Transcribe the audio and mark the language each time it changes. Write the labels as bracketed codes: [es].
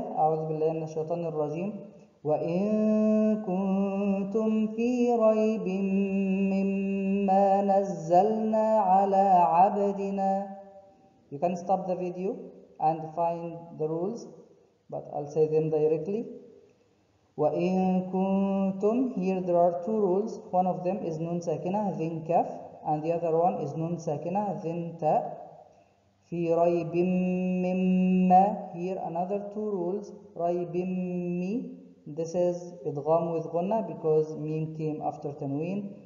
[ar] أعوذ بالله من الشيطان الرجيم. وإن كنتم في ريب مما نزلنا على عبدنا. [en] You can stop the video and find the rules, but I'll say them directly. [ar] وإن كنتم, [en] here there are two rules. One of them is [ar] نون ساكنة ذن كاف, [en] and the other one is [ar] نون ساكنة ذن تاء. في ريب مما, [en] here another two rules. [ar] ريب مي, [en] this is إدغام with غنة because ميم came after تنوين.